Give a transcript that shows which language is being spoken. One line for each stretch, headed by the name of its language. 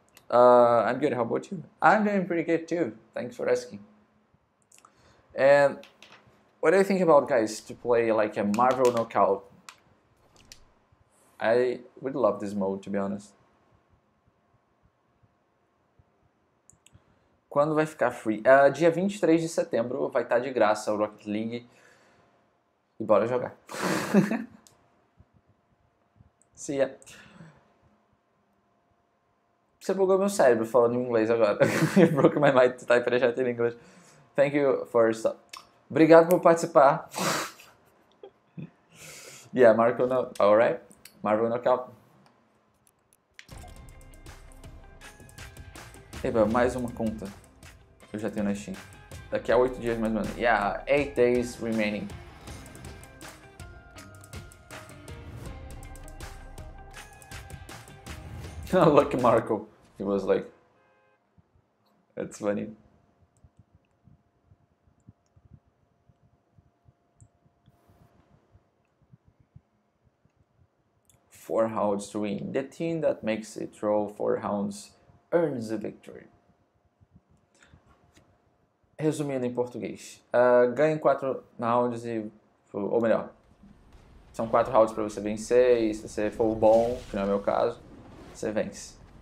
English: I'm good. How about you? I'm doing pretty good, too. Thanks for asking. And what do you think about guys to play like a Marvel Knockout? I would love this mode, to be honest.
Portuguese: Quando vai ficar free? Dia 23 de setembro vai estar de graça o Rocket League. E bora jogar.
English: See ya.
Portuguese: Você bugou meu cérebro falando em inglês agora.
English: You broke my mind to type it in English. Thank you for stop.
Portuguese: Obrigado por participar.
English: Yeah, Marco no. Alright. Marvel Knockout.
Portuguese: Eba, mais uma conta. Eu já tenho na Steam. Daqui a 8 dias mais ou menos.
English: Yeah, 8 days remaining. Look, Marco. He was like, "That's funny." Four hounds to win. The team that makes it through four hounds earns the victory.
Portuguese: Resumindo em português, ganhe quatro rounds e, ou melhor, são quatro rounds para você vencer. E se você for bom, que não é o meu caso, você vence.